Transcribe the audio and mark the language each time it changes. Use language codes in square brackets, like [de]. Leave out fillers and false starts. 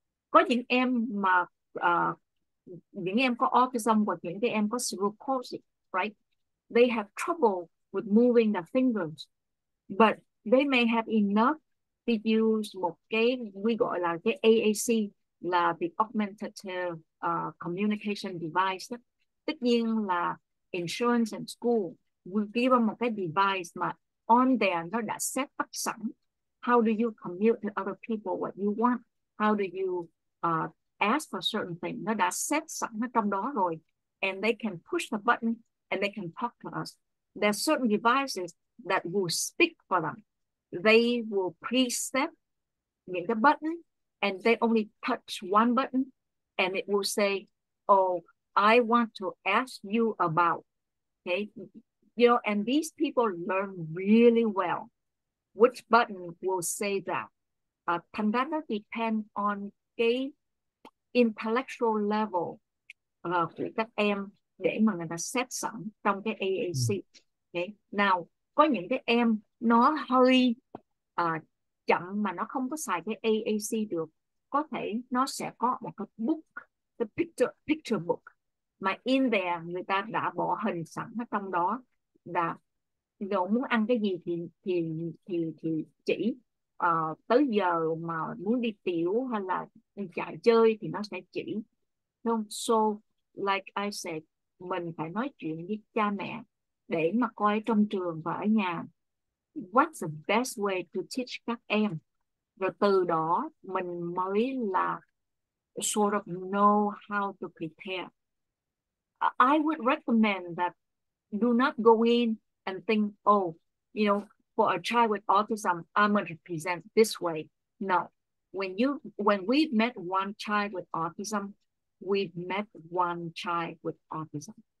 [vi] Có những em mà, những em có autism, hoặc những cái em có cerebral palsy, right? [en] They have trouble with moving the fingers, but they may have enough to use [vi] một cái, [en] we gọi là cái AAC, là the augmentative communication device. [vi] Tất nhiên là [en] insurance and school will give them một cái device mà on there [vi] nó đã [en] set up sẵn. How do you communicate to other people what you want? How do you ask for certain things. [vi] Nó đã set sẵn nó trong đó rồi. [en] And they can push the button and they can talk to us. There are certain devices that will speak for them. They will preset [vi] những cái [en] button and they only touch one button and it will say, oh, I want to ask you about. Okay. You know, and these people learn really well which button will say that. [vi] Thành ra nó [en] depend on [vi] cái intellectual level của các em để mà người ta set sẵn trong cái AAC. Okay. Now, có những cái em nó hơi chậm mà nó không có xài cái AAC được. Có thể nó sẽ có một cái book, [en] the picture book. [vi] Mà in there, người ta đã bỏ hình sẵn ở trong đó. Đã, đồ muốn ăn cái gì thì chỉ tới giờ mà muốn đi tiểu hay là chạy chơi thì nó sẽ chỉ. Không? [en] So, like I said, [vi] mình phải nói chuyện với cha mẹ để mà coi trong trường và ở nhà [en] what's the best way to teach [vi] các em. Rồi từ đó mình mới là [en] sort of know how to prepare. I would recommend that do not go in and think, oh, you know, for a child with autism, I'm going to present this way. No. When we've met one child with autism, we've met one child with autism.